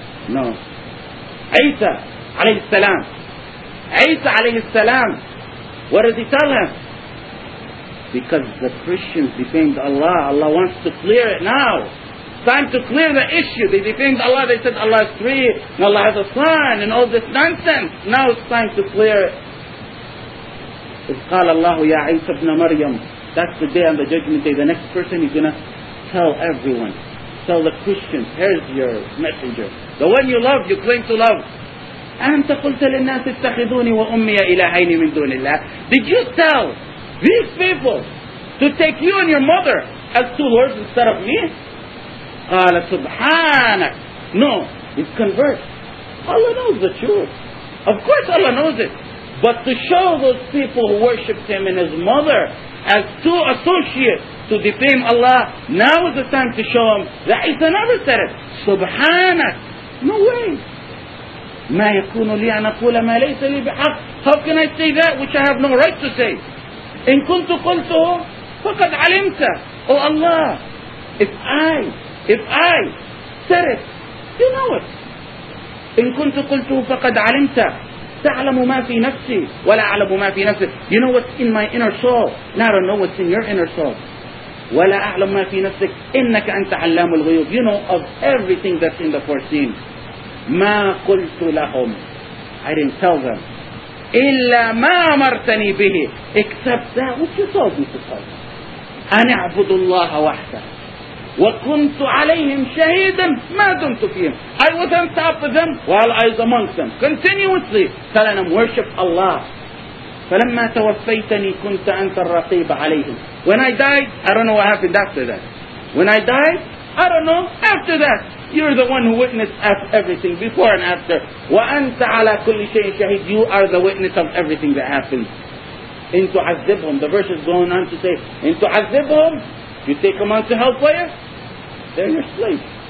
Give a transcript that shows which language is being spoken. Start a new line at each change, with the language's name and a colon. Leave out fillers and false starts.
English: No. Isa alayhi salam. Isa alayhi salam. What does he tell him? Because the Christians defamed Allah. Allah wants to clear it now. Time to clear the issue. They defamed Allah. They said Allah is three and Allah has a son and all this nonsense. Now it's time to clear it. It's
Arabic: قال الله يا عيسى ابن مريم.
English: That's the day on the judgment day. The next person is going to tell everyone. Tell the Christians. Here's your messenger. The one you love, you claim to love.
Arabic: أنت قلت للناس اتخذوني وأمي إلهين من دون الله.
English: Did you tell these people to take you and your mother as two lords instead of me?
Arabic: قال سبحانك.
English: No, it's converse. Allah knows the truth. Of course Allah knows it. But to show those people who worshipped him and his mother as two associates to defame Allah, now is the time to show them that Isa never said it.
Arabic: سبحانك.
English: No way.
Arabic: ما يكون لي أن أقول ما ليس لي بحق.
English: How can I say that which I have no right to say?
Arabic: إن كنت قلته فقد علمت.
English: Oh Allah, if I said it, you know it.
Arabic: إن كنت قلته فقد علمت. تعلم ما في نفسي ولا أعلم ما في نفسي.
English: You know what's in my inner soul. Now I don't know what's in your inner soul.
Arabic: ولا أعلم ما في نفسك إنك أنت علام الغيوب.
English: You know of everything that's in the foreseen.
Arabic: ما قلت لهم.
English: I didn't tell them.
Arabic: إلا ما أمرتني به.
English: Except that which you told me to tell them.
Arabic: أن أعبد الله وحده. وكنت عليهم شهيدا ما دمت فيهم.
English: I was on top of them while I was amongst them. Continuously. Tell them, worship Allah.
Arabic: فلما توفيتني كنت أنت الرقيب عليهم.
English: When I died, I don't know what happened after that. When I died, I don't know. After that, you're the one who witnessed everything before and after.
Arabic: وأنت على كل شيء شهيد.
English: You are the witness of everything that happened.
Arabic: إن تعذبهم.
English: The verse is going on to say,
Arabic: إن تعذبهم,
English: you take them onto hellfire, they're your slaves.